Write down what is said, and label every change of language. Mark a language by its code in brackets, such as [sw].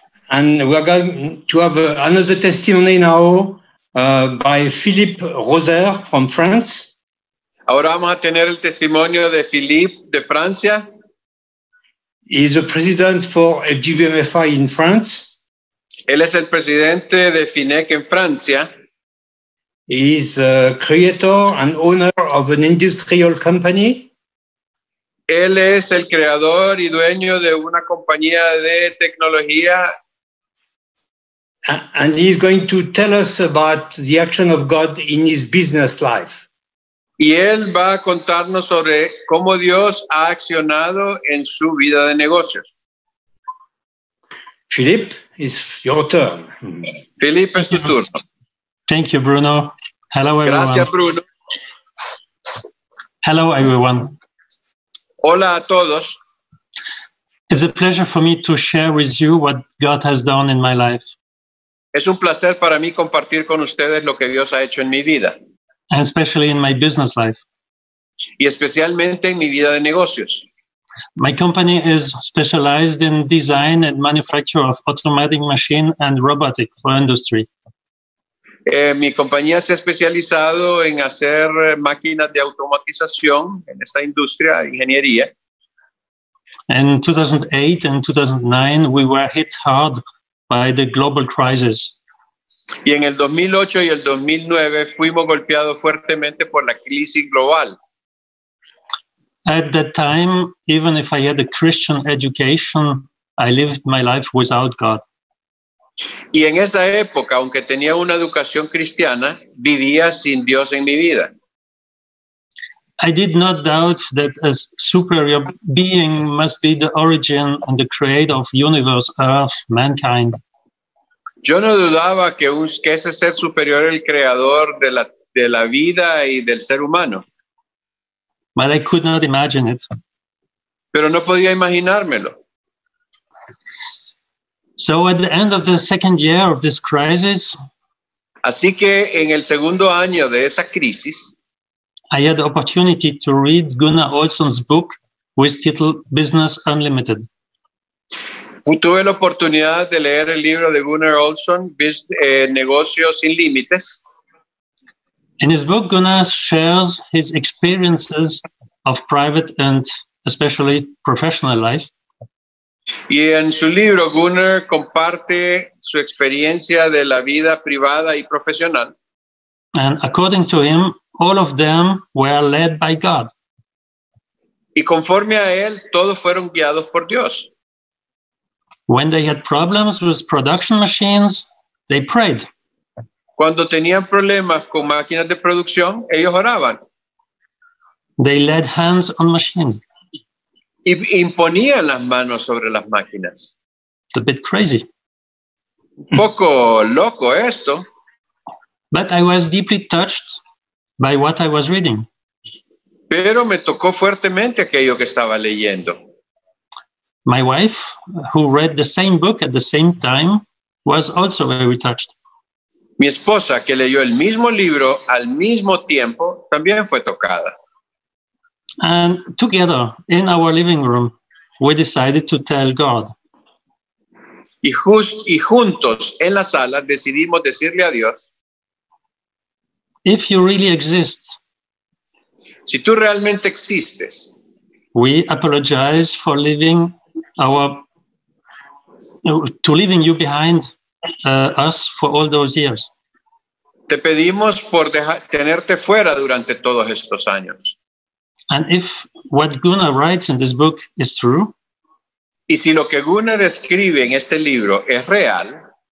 [en] And we're going to have another testimony now by Philippe Roser from France. [es] Ahora vamos a tener el testimonio de Philippe de Francia. [en] He's the president for FGBMFI in France. [es] Él es el presidente de FINEC en Francia. [en] He is a creator and owner of an industrial company. [es] Él es el creador y dueño de una compañía de tecnología. [en] And he is going to tell us about the action of God in his business life. [es] Y él va a contarnos sobre cómo Dios ha accionado en su vida de negocios. [en] Philippe, it's your turn. [es] Philippe, es tu turno. [en] Thank you, Bruno. Hello, everyone. [es] Gracias, Bruno. [en] Hello, everyone. [es] Hola a todos. [en] It's a pleasure for me to share with you what God has done in my life. [es] Es un placer para mí compartir con ustedes lo que Dios ha hecho en mi vida. [en] And especially in my business life. [es] Y especialmente en mi vida de negocios. [en] My company is specialized in design and manufacture of automatic machine and robotic for industry. [es] Mi compañía se ha especializado en hacer máquinas de automatización en esta industria, ingeniería. [en] In 2008 and 2009, we were hit hard by the global crisis. [es] Y en el 2008 y el 2009 fuimos golpeados fuertemente por la crisis global. [en] At that time, even if I had a Christian education, I lived my life without God. [es] Y en esa época, aunque tenía una educación cristiana, vivía sin Dios en mi vida. [en] I did not doubt that a superior being must be the origin and the creator of universe, earth, mankind. [es] Yo no dudaba que ese ser superior el creador de la vida y del ser humano. [en] But I could not imagine it. [es] Pero no podía imaginármelo. [en] So at the end of the second year of this crisis, [es] así que en el segundo año de esa crisis, [en] I had the opportunity to read Gunnar Olsson's book with title Business Unlimited. [es] Tuve la oportunidad de leer el libro de Gunnar Olsson, Negocios sin Límites. [en] In his book, Gunnar shares his experiences of private and especially professional life. [es] Y en su libro, Gunnar comparte su experiencia de la vida privada y profesional. [en] And according to him, all of them were led by God. [es] Y conforme a él, todos fueron guiados por Dios. [en] When they had problems with production machines, they prayed. [es] Cuando tenían problemas con máquinas de producción, ellos oraban. [en] They laid hands on machines. [es] Y imponían las manos sobre las máquinas. [en] It's a bit crazy. [es] Un poco loco esto. [en] But I was deeply touched by what I was reading. [es] Pero me tocó fuertemente aquello que estaba leyendo. [en] My wife, who read the same book at the same time, was also very touched. [es] Mi esposa, que leyó el mismo libro al mismo tiempo, también fue tocada. [en] And together, in our living room, we decided to tell God. [es] Y juntos, en la sala, decidimos decirle a Dios. [en] If you really exist. [es] Si tú realmente existes. [en] We apologize for leaving you behind us for all those years. [es] Te pedimos por tenerte fuera durante todos estos años. [en] And if what Gunnar writes in this book is true, [es] y si lo que Gunnar escribe en este libro es real,